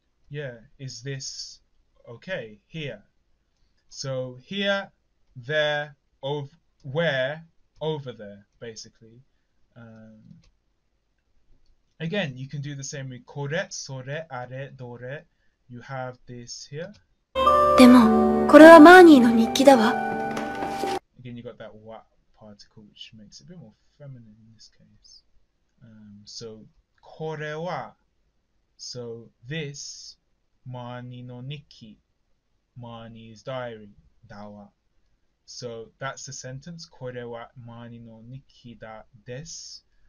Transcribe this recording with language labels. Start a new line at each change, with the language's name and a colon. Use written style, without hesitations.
English: Yeah, is this okay? Here. So here, there, of where, over there, basically. Again, you can do the same with kore, sore, are, dore. You have this here.
Japanese: でも、これはマーニーの日記だわ。
English: Again, you got that wa particle, which makes it a bit more feminine in this case. So kore wa. So this,
Japanese: Marnie no nikki,
English: Marnie's diary, dawa. So that's the sentence.
Japanese: Kore wa Marnie no nikki da desu.